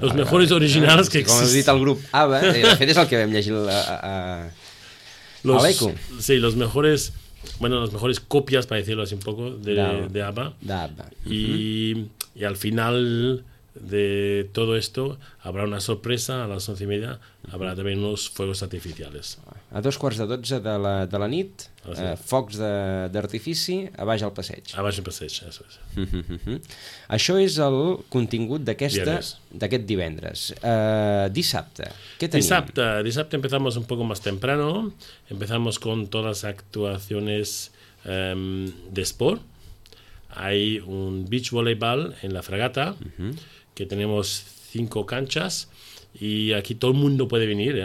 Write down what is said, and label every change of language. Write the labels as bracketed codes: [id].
[ca] Els millors originals que existeixen. Com has dit el grup ABBA, de fet és el que vam llegir a l'Eco. [es] Sí, los mejores, bueno, las mejores copias, para decirlo así un poco, de ABBA. De ABBA. Y al final de todo esto habrá una sorpresa a las 11 y media, habrá también unos fuegos artificiales. [ca] A 11:45 de la nit, focs d'artifici a baix al passeig. A baix al passeig, això és. Això és el contingut d'aquest divendres. Dissabte, què tenim? [es] Dissabte empezamos un poco más temprano, empezamos con todas las actuaciones de sport. hay un beach volleyball en la fragata, que tenemos 5 canchas y aquí todo el mundo puede venir, ¿eh?